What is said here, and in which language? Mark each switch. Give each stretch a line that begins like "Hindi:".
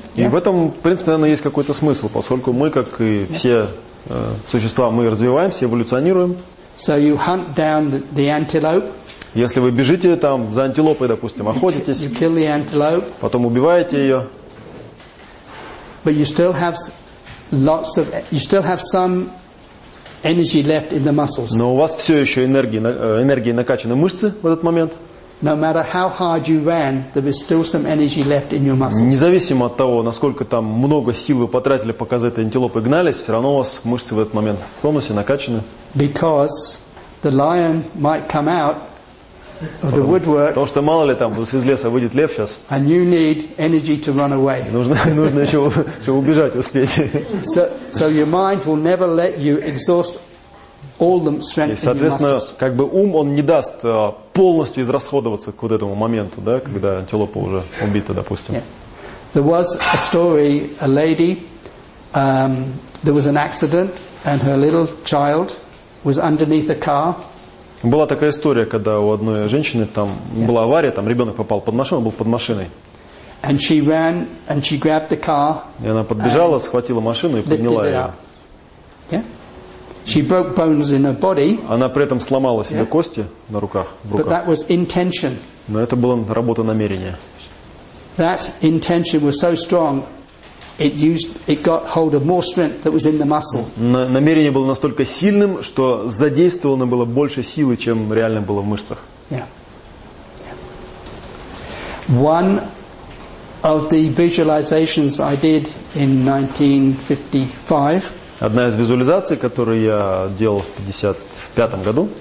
Russian: И в этом, в принципе, наверное, есть какой-то смысл, поскольку мы, как и все существа, мы развиваемся, эволюционируем.
English: So you hunt down the antelope.
Russian: Если вы бежите там за антилопой, допустим, охотитесь,
English: you kill the antelope.
Russian: Потом убиваете ее.
English: But you still have lots of, you still have some energy left in the muscles.
Russian: Но у вас все еще энергии накачаны мышцы в этот момент.
English: No matter how hard you ran, there is still some energy left in your muscles.
Russian: Независимо от того, насколько там много сил вы потратили, пока за этой антилопой гнались, все равно у вас мышцы в этот момент в тонусе, накачаны.
English: Because the lion might come out of the woodwork.
Russian: Потому что мало ли там из леса выйдет лев сейчас.
English: And you need energy to run away.
Russian: Нужно еще убежать успеть.
English: So your mind will never let you exhaust.
Russian: И, соответственно, как бы ум, он не даст полностью израсходоваться к вот этому моменту, да, когда антилопа уже убита, допустим. Yeah.
English: There was a story, a lady, there was an accident, and her little child was underneath a car.
Russian: Была такая история, когда у одной женщины там была авария, там ребенок попал под машину, он был под машиной.
English: And she ran, and she grabbed the car.
Russian: И она подбежала, схватила машину и подняла ее.
English: She broke bones in her body.
Russian: Она при этом сломала себе кости на руках, в руках.
English: But that was intention.
Russian: Но это была работа намерения.
English: That intention was so strong, it got hold of more strength that was in the muscle.
Russian: Намерение было настолько сильным, что задействовано было больше силы, чем реально было в мышцах. Yeah.
English: One of the visualizations I did in 1955.
Russian: Одна из визуализаций, которую я делал в 55 году.